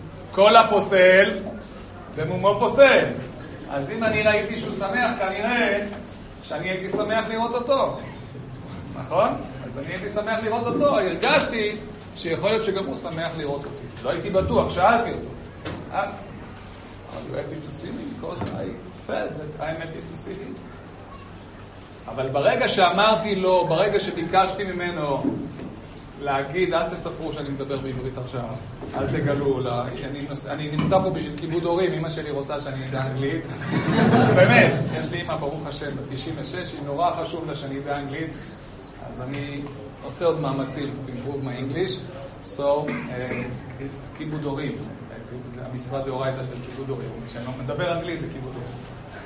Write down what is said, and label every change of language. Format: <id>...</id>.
<he>כל הפוסל במומו פוסל. אז אם אני ראיתי שהוא שמח, כנראה שאני הייתי שמח לראות אותו, נכון? אז אני הייתי שמח לראות אותו, הרגשתי שיכול להיות שגם הוא שמח לראות אותי. לא הייתי בטוח, שאלתי אותו,</he> <en>ask, are you happy to see me? Because I felt that I'm happy to see him.</en> <he>אבל ברגע שאמרתי לו, ברגע שביקשתי ממנו להגיד, אל תספרו שאני מדבר בעברית עכשיו, אל תגלו, אני נמצא פה בשביל כיבוד הורים, אמא שלי רוצה שאני אדע אנגלית. באמת, יש לי אמא, ברוך השם, ב-96, היא נורא חשוב לה שאני אדע אנגלית, אז אני עושה עוד מאמצים,</he> <en>to improve my English,</en> <he>so, it's כיבוד הורים, המצווה דאורייתא של כיבוד הורים, כשאני מדבר אנגלית זה כיבוד הורים.</he>